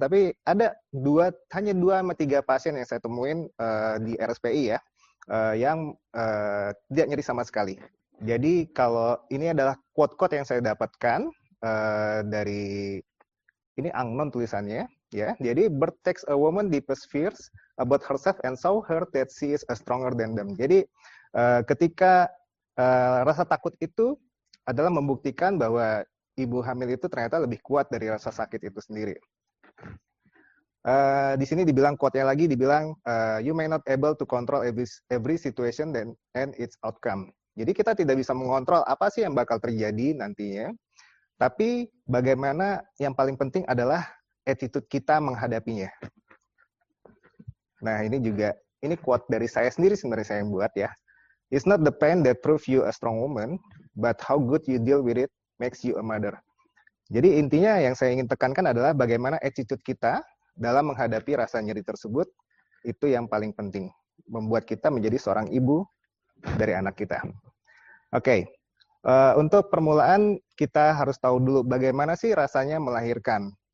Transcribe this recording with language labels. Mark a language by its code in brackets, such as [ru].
[id] Tapi ada hanya 2 sama 3 pasien yang saya temuin di RSPI ya, yang tidak nyeri sama sekali. Jadi kalau ini adalah quote-quote yang saya dapatkan dari ini Angnon tulisannya ya. Jadi [en] birth takes a woman deepest fears about herself and show her that she is a stronger than them. [id] Jadi ketika rasa takut itu adalah membuktikan bahwa ibu hamil itu ternyata lebih kuat dari rasa sakit itu sendiri. Di sini dibilang quote-nya lagi, dibilang [en] you may not able to control every situation and its outcome. [id] Jadi kita tidak bisa mengontrol apa sih yang bakal terjadi nantinya. Tapi bagaimana yang paling penting adalah attitude kita menghadapinya. Nah ini juga, ini quote dari saya sendiri sebenarnya saya yang buat ya. [en] It's not the pain that proves you a strong woman, but how good you deal with it makes you a mother. [id] Jadi intinya yang saya ingin tekankan adalah bagaimana attitude kita dalam menghadapi rasa nyeri tersebut, itu yang paling penting. Membuat kita menjadi seorang ibu dari anak kita. Oke. Untuk permulaan, kita harus tahu dulu bagaimana sih rasanya melahirkan.